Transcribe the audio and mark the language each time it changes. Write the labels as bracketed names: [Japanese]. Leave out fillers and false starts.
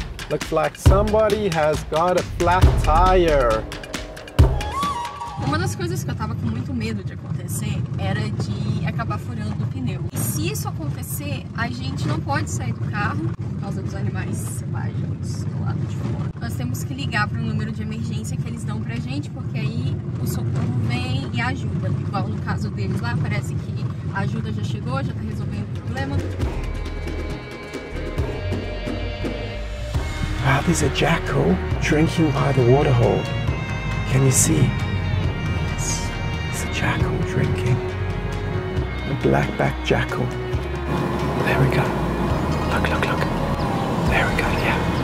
[English] Looks like somebody has got a flat tire. [Portuguese] Uma das coisas que eu tava com muito medo de acontecer era de acabar furando o pneu. E se isso acontecer, a gente não pode sair do carro por causa dos animais selvagens do lado de fora. Nós temos que ligar para o número de emergência que eles dão pra gente, porque aí o socorro vem e ajuda. Igual no caso deles lá, parece que a ajuda já chegou, já tá resolvendo o problema. [English] Ah, there's a jackal drinking by the water hole. Can you see? It's a jackal drinking. A black-back jackal. There we go. Look, look, look. There we go, yeah.